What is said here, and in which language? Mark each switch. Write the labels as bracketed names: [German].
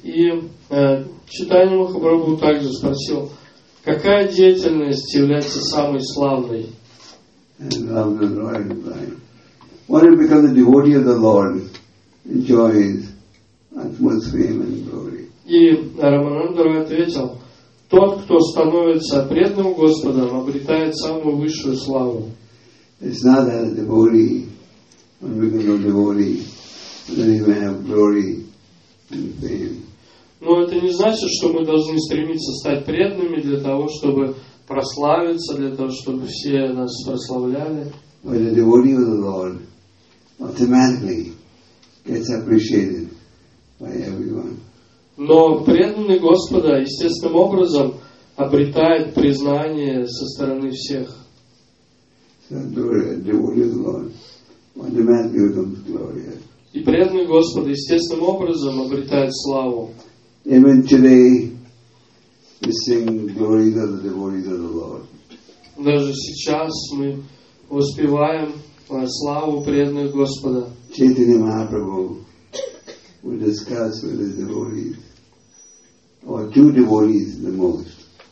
[Russian] И Чайтанья Махапрабху также спросил, какая деятельность является самой славной? [English] When you become a devotee of the Lord, enjoys utmost fame and glory. [Russian] И Рамананда ответил, тот, кто становится преданным Господом, обретает самую высшую славу. [English] It's not that a devotee, when you become a devotee, then you may have glory and fame. [Russian] Но это не значит, что мы должны стремиться стать преданными для того, чтобы прославиться, для того, чтобы все нас прославляли. [English] But the devotee of the Lord automatically gets appreciated by everyone. [Russian] Но преданный Господа естественным образом обретает признание со стороны всех. [English] So the devotee of the Lord automatically becomes glorious. [Russian] И преданный Господа естественным образом обретает славу. [English] Even today, we sing glories of the devotees of the Lord. [Russian] Даже сейчас мы воспеваем славу преданных Господа. [English] Chaitanya Mahaprabhu will discuss with his devotees, or two devotees the most.